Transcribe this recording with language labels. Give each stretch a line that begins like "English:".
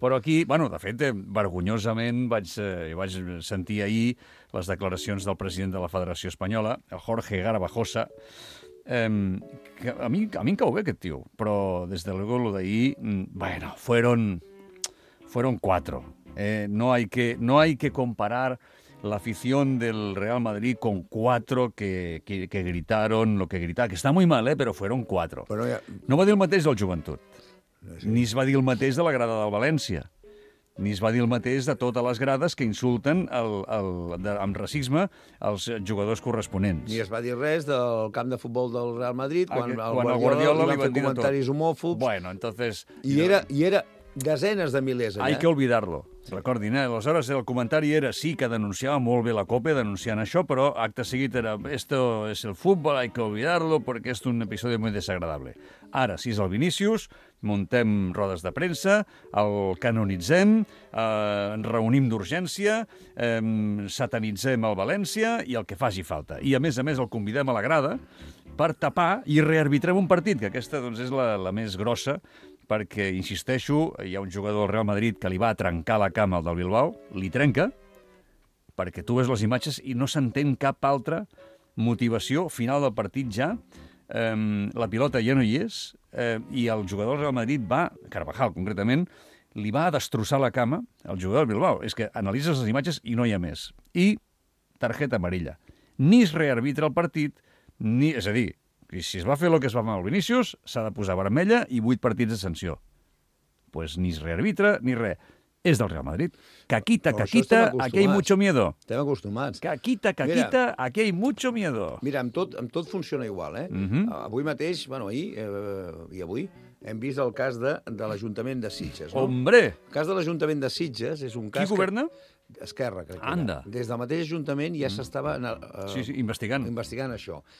Catalan: Però aquí, bueno, de fet, vergonyosament vaig sentir ahir les declaracions del president de la Federació Espanyola, el Jorge Garbajosa, que a mi em cau bé aquest tio, però des de luego lo d'ahir, bueno,
Spanish: fueron cuatro. No hay que comparar la afición del Real Madrid con cuatro que gritaron lo que gritaron, que está muy mal, pero fueron cuatro.
Catalan: Però ja... No va dir el mateix del joventut, ni es va dir el mateix de la grada del València, ni es va dir el mateix de totes les grades que insulten amb racisme els jugadors corresponents. Ni es va dir res del camp de futbol del Real Madrid quan el Guardiola li va fer comentaris homòfobs.
Spanish: Bueno, entonces...
Catalan: I era desenes de milers, allà.
Spanish: Hay que olvidarlo. Sí.
Catalan: Recordin, aleshores el comentari era sí que denunciava molt bé la Copa denunciant això, però acte seguit era
Spanish: esto es el fútbol, hay que olvidarlo porque es un episodio muy desagradable.
Catalan: Ara, si és el Vinicius, muntem rodes de premsa, el canonitzem, ens reunim d'urgència, satanitzem el València i el que faci falta. I a més el convidem a la grada per tapar i rearbitrem un partit, que aquesta doncs, és la més grossa, perquè, insisteixo, hi ha un jugador del Real Madrid que li va trencar la cama al del Bilbao, li trenca, perquè tu ves les imatges i no s'entén cap altra motivació. Final del partit ja, la pilota ja no hi és, i el jugador del Real Madrid va, Carvajal concretament, li va destrossar la cama al jugador del Bilbao. És que analitzes les imatges i no hi ha més. I targeta amarilla. ni es rearbitra el partit, ni, és a dir, si es va fer el que es va fer amb el Vinícius, s'ha de posar vermella i 8 partits de sanció. Pues ni es rearbitra ni res. És del Real Madrid.
Spanish: Caquita, caquita, aquí hay mucho miedo.
Catalan: Estem acostumats.
Spanish: Caquita, caquita, mira, aquí hay mucho miedo.
Catalan: Mira, amb tot funciona igual, eh? Uh-huh. Avui mateix, bueno, ahir i avui, hem vist el cas de l'Ajuntament de Sitges. No?
Spanish: Hombre!
Catalan: El cas de l'Ajuntament de Sitges és un cas... Qui governa? Que... Esquerra, crec.
Spanish: Anda!
Catalan: Que des del mateix Ajuntament ja s'estava... Sí, sí, investigant. Investigant això.